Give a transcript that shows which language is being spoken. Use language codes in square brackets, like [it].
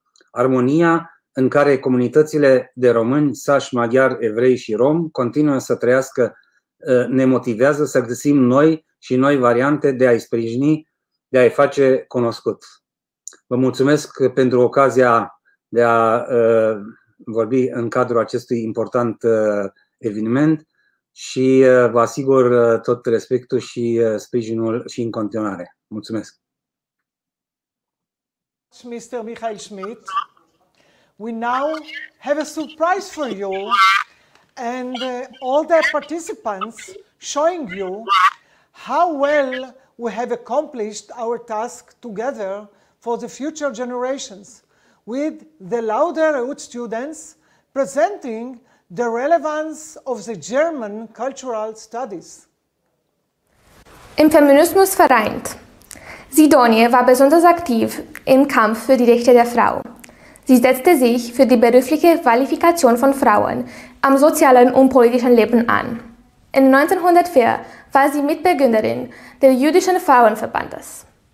[ro] Armonia în care comunitățile de români, sași, maghiari, evrei și rom continuă să trăiască ne motivează să găsim noi și noi variante de a-i sprijini, de a-i face cunoscut. Vă mulțumesc pentru ocazia de a vorbi în cadrul acestui important eveniment și vă asigur tot respectul și sprijinul și în continuare. Mulțumesc. [en] Mr. Michael Schmidt, we now have a surprise for you and all the participants showing you how well we have accomplished our task together for the future generations, with the Laude Roth students presenting the relevance of the German cultural studies. [de] Im Feminismus vereint. Sidonie war besonders aktiv im Kampf für die Rechte der Frau. Sie setzte sich für die berufliche Qualifikation von Frauen am sozialen und politischen Leben an. In 1904 war sie Mitbegründerin des Jüdischen Frauenverbandes.